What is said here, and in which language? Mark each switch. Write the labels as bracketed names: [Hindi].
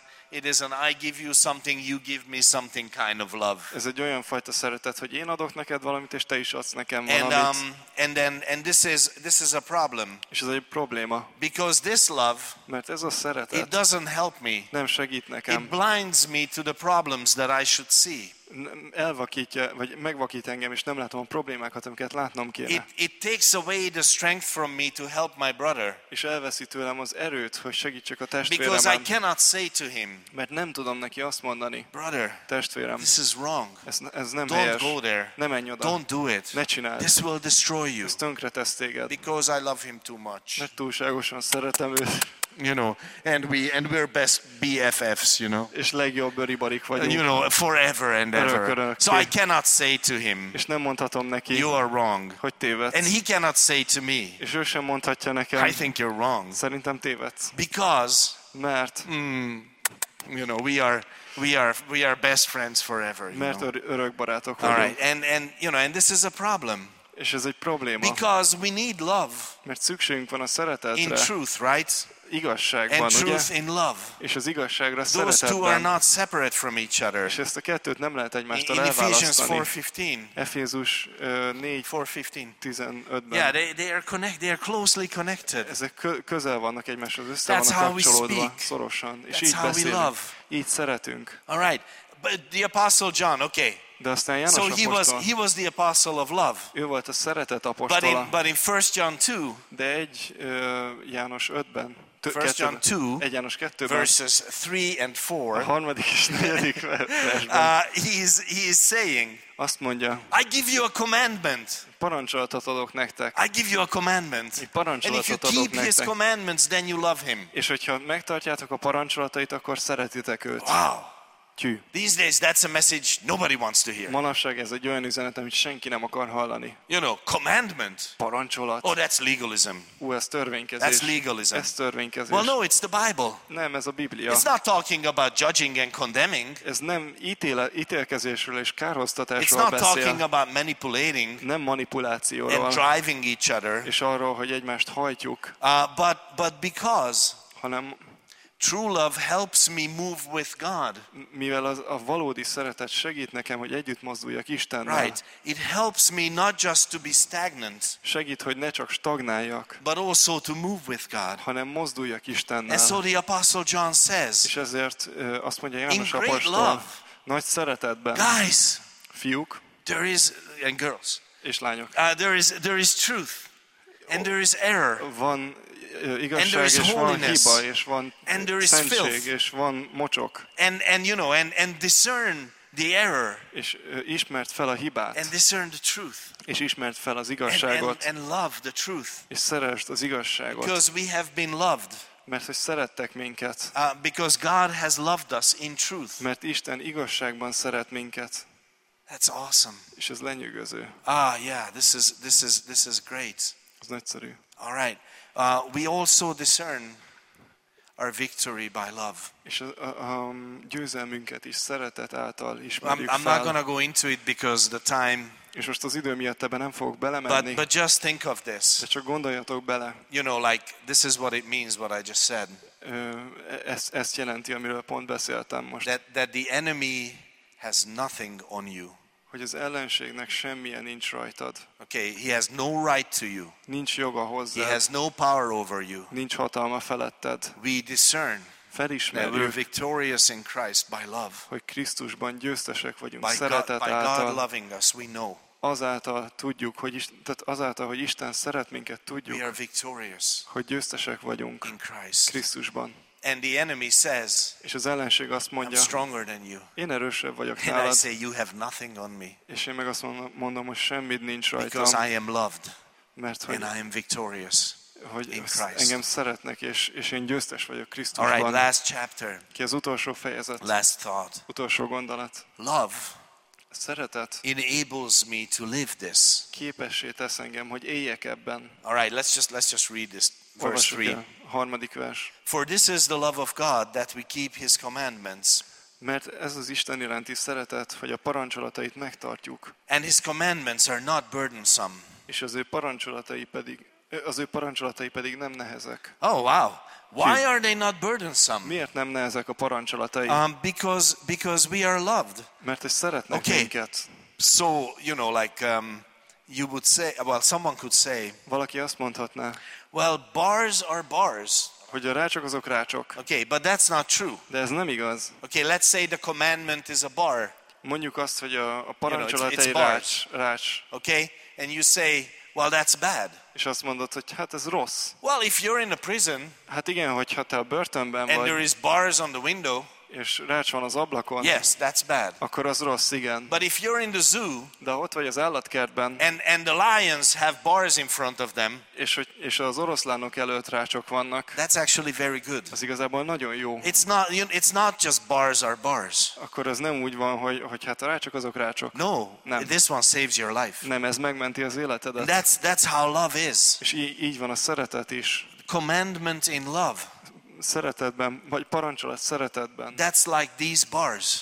[English] It is an I give you something, you give me something kind of love. [Hungarian] Ez egy olyan fajta szeretet, hogy én adok neked valamit, és te is adsz nekem valamit. [English] And this is a problem. [Hungarian] És ez egy probléma. [English] Because this love, [Hungarian] mert ez a szeretet, [English] it doesn't help me. [Hungarian] Nem segít nekem. [English] It blinds me to the problems that I should see. [Hungarian] Elvakítja, vagy megvakít engem, és nem látom a problémákat, amiket látnom kéne. [English] It takes away the strength from me to help my brother. [Hungarian] És elveszi tőlem az erőt, hogy segítsek a testvéremet. [English] Because I cannot say to him. [Hungarian] Mert nem tudom neki azt mondani. [English] Brother, [Hungarian] testvérem. [English] This is wrong. [Hungarian] Ez nem [English] Don't [Hungarian] helyes. [English] Go there. [Hungarian] Ne menj oda. [English] Don't do it. [Hungarian] Ne csináld. [English] This will destroy you. [Hungarian] Ez tönkre tesz téged. [English] Because I love him too much. [Hungarian] Mert túlságosan szeretem őt. [English] You know, and we're best BFFs, you know. [Hungarian] És legjobb buddy-barik vagyunk. [English] You know, forever and ever. [Hungarian] Örök-örök. [English] So I cannot say to him. [Hungarian] És nem mondhatom neki. [English] You are wrong. [Hungarian] Hogy tévedsz. [English] And he cannot say to me. [Hungarian] És ő sem mondhatja nekem. [English] I think you're wrong. [Hungarian] Szerintem tévedsz. [English] Because. [Hungarian] Mert. [English] You know, we are best friends forever. You [Hungarian] mert örök barátok vagyunk. [English] All right, and you know, and this is a problem. [Hungarian] És ez egy probléma. [English] Because we need love. [Hungarian] Mert szükségünk van a szeretetre. [English] In truth, right? [Hungarian] Igazságban, [English] and truth [Hungarian] ugye? [English] In love. [Hungarian] És az igazságra [English] Those [Hungarian] szeretetben. [English] Two are not separate from each other. [Hungarian] És ezt a kettőt nem lehet egymástól [English] in [Hungarian] elválasztani. [English] Ephesians 4:15. [Hungarian] Efézus 4:15. [English] Yeah, they are connected. They are closely connected. [Hungarian] Ezek közel vannak egymáshoz, össze vannak kapcsolódva, szorosan. [English] That's [Hungarian] és így [English] how [Hungarian] beszélünk. [English] We love. [Hungarian] Így szeretünk. [English] All right, but the Apostle John, okay. [Hungarian] De aztán János [English] so he was the apostle of love. [Hungarian] Ő volt a szeretet apostola. [English] But in 1 John 2. [Hungarian] De egy János 5-ben. [English] 1 John 2, [Hungarian] János 2-ben, [English] verses 3 and 4. [Hungarian] A harmadik és negyedik versben. [English] He is saying. [Hungarian] Azt mondja. [English] I give you a commandment. [Hungarian] Parancsolatot adok nektek. [English] I give you a commandment. [Hungarian] Parancsolatot adok nektek. [English] And if you keep his commandments, then you love him. [Hungarian] És hogyha megtartjátok a parancsolatait, akkor szeretitek őt. [English] Wow. [Hungarian] Tű. [English] These days that's a message nobody wants to hear. [Hungarian] Manapság ez egy olyan üzenet, amit senki nem akar hallani. [English] You know, commandment. [Hungarian] Parancsolat. [English] Oh, that's legalism. [Hungarian] Ú, ez törvénykezés. [English] That's legalism. [Hungarian] Ez törvénykezés. [English] Well, no, it's the Bible. [Hungarian] Nem, ez a Biblia. [English] It's not talking about judging and condemning. [Hungarian] Ez nem ítélkezésről és kárhoztatásról beszél. [English] It's not talking about manipulating. [Hungarian] Nem manipulációról. [English] And driving each other. [Hungarian] És arról, hogy egymást hajtjuk. [English] But because. [Hungarian] Hanem [English] True love helps me move with God. [Hungarian] Mivel a valódi szeretet segít nekem, hogy együtt mozduljak Istennel. [English] Right. It helps me not just to be stagnant. [Hungarian] Segít, hogy ne csak stagnáljak. [English] But also to move with God. [Hungarian] Hanem mozduljak Istennel. [English] And so the Apostle John says. [Hungarian] És ezért azt mondja János apostol. Nagy szeretetben. [English] Guys. [Hungarian] Fiúk. [English] There is and girls. [Hungarian] És lányok. [English] There is truth. And there is error. [Hungarian] Van igazság, [English] and there is holiness, [Hungarian] hiba, és van [English] and there is [Hungarian] szentség, [English] filth, [Hungarian] és van mocsok. [English] And you know, and discern the error, [Hungarian] és ismert fel a hibát, [English] and discern the truth, [Hungarian] és ismert fel az igazságot, [English] and love the truth, [Hungarian] és szeresd az igazságot, [English] because we have been loved, [Hungarian] mert hogy szerettek minket, [English] because God has loved us in truth, [Hungarian] mert Isten igazságban szeret minket. [English] That's awesome. [Hungarian] És ez lenyűgöző. [English] Ah, yeah, this is great. [Hungarian] Ez nagyszerű. [English] All right. We also discern our victory by love. [Hungarian] És győzelmünket is szeretet által ismerjük fel. [English] I'm not going to go into it because the time. [Hungarian] És most az idő miatt ebben nem fogok belemenni. [English] But just think of this. [Hungarian] De csak gondoljatok bele. [English] You know, like this is what it means what I just said. [Hungarian] Ezt jelenti, amiről pont beszéltem most. [English] That the enemy has nothing on you. [Hungarian] Hogy az ellenségnek semmilyen nincs rajtad. [English] Okay, he has no right to you. [Hungarian] Nincs joga hozzád. [English] He has no power over you. [Hungarian] Nincs hatalma feletted. [English] We discern [Hungarian] felismerjük, [English] that we're victorious in Christ by love. [Hungarian] Hogy Krisztusban győztesek vagyunk [English] by [Hungarian] szeretet [English] God, [Hungarian] által. [English] By God loving us, we know. [Hungarian] Azáltal tudjuk, hogy azáltal, hogy Isten szeret minket, tudjuk. [English] We are victorious. [Hungarian] Hogy győztesek vagyunk [English] in Christ. [Hungarian] Krisztusban. [English] And the enemy says, [Hungarian] és az ellenség azt mondja, [English] I'm stronger than you. [Hungarian] Én erősebb vagyok nálad. [English] And I say, you have nothing on me. [Hungarian] És én meg azt mondom, hogy semmit nincs rajtam. [English] Because I am loved. [Hungarian] Mert hogy, [English] and I am victorious [Hungarian] hogy [English] in Christ. [Hungarian] Engem szeretnek, és én győztes vagyok Krisztusban. [English] All right, last chapter. [Hungarian] Ki az utolsó fejezet. [English] Last thought. [Hungarian] Utolsó gondolat. [English] Love. [Hungarian] Szeretet. [English] Enables me to live this. [Hungarian] Képessé tesz engem, hogy éljek ebben. [English] All right, let's just read this. Verse 3. [Hungarian] Harmadik vers. [English] For this is the love of God, that we keep his commandments. [Hungarian] Mert ez az Isten iránti szeretet, hogy a parancsolatait megtartjuk. [English] And his commandments are not burdensome. [Hungarian] És az ő parancsolatai pedig nem nehezek. [English] Oh wow. Why are they not burdensome? [Hungarian] Miért nem nehezek a parancsolatai? [English] Because we are loved. [Hungarian] Mert ő szeretne minket. [English] So, you know, like you would say, well, someone could say, [Hungarian] valaki azt mondhatná, [English] well, bars are bars. [Hungarian] Hogy a rácsok azok rácsok. [English] Okay, but that's not true. [Hungarian] De ez nem igaz. [English] Okay, let's say the commandment is a bar. [Hungarian] Mondjuk azt, hogy a parancsolat egy rács. [English] Okay, and you say, well, that's bad. [Hungarian] És azt mondod, hogy hát ez rossz. [English] Well, if you're in a prison. [Hungarian] Hát igen, hogyha te a börtönben [English] and [Hungarian] vagy. [English] And there is bars on the window. [Hungarian] És rács van az ablakon. [English] Yes, that's bad. [Hungarian] Akkor az rossz, igen. [English] But if you're in the zoo, [Hungarian] de ott vagy az állatkertben, [English] and the lions have bars in front of them, [Hungarian] és az oroszlánok előtt rácsok vannak, [English] that's actually very good. [Hungarian] Az igazából nagyon jó. [English] It's not, you know, it's not just bars are bars. [Hungarian] Akkor az nem úgy van, hogy hát a rácsok azok rácsok. [English] No, [Hungarian] nem. [English] This one saves your life. [Hungarian] Nem, ez megmenti az életedet. [English] And that's how love is. [Hungarian] És így van a szeretet is. [English] Commandment in love. [Hungarian] Szeretetben, vagy parancsolat szeretetben. [English] That's like these bars.